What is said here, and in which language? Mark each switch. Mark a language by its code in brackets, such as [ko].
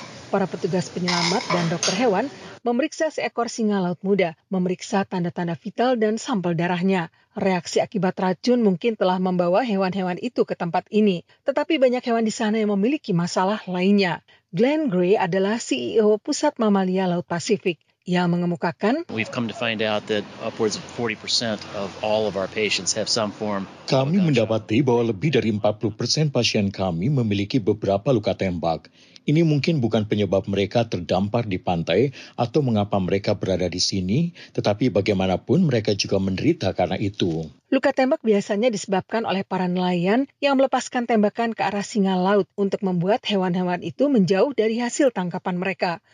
[id] Para petugas penyelamat dan dokter hewan memeriksa seekor singa laut muda, memeriksa tanda-tanda vital dan sampel darahnya. Reaksi akibat racun mungkin telah membawa hewan-hewan itu ke tempat ini. Tetapi banyak hewan di sana yang memiliki masalah lainnya. Glenn Gray adalah CEO Pusat Mamalia Laut Pasifik. Ia mengemukakan, [en] we've come to find out that upwards of 40% of all of our patients have some form. [id] Kami mendapati bahwa lebih dari 40% pasien kami memiliki beberapa luka tembak. Ini mungkin bukan penyebab mereka terdampar di pantai atau mengapa mereka berada di sini, tetapi bagaimanapun mereka juga menderita karena itu. Luka tembak biasanya disebabkan oleh para nelayan yang melepaskan tembakan ke arah singa laut untuk membuat hewan-hewan itu menjauh dari hasil tangkapan mereka.